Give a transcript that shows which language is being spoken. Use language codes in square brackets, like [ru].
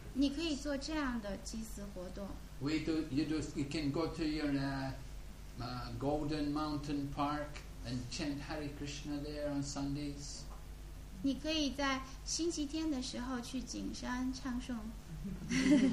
[zh] 你可以做这样的祭祀活动。 [en] We do. You do. You can go to your Golden Mountain Park and chant Hare Krishna there on Sundays. [zh] 你可以在星期天的时候去景山唱诵。